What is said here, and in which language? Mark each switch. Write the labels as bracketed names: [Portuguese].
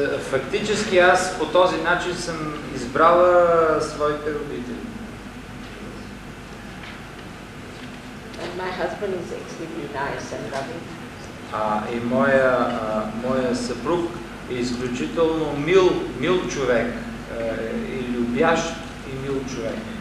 [Bulgarian] Фактически аз по този начин съм избрала своите родители. [English] And my husband is extremely nice and loving. [Bulgarian] Моя съпруг е изключително мил човек, и любящ и мил човек.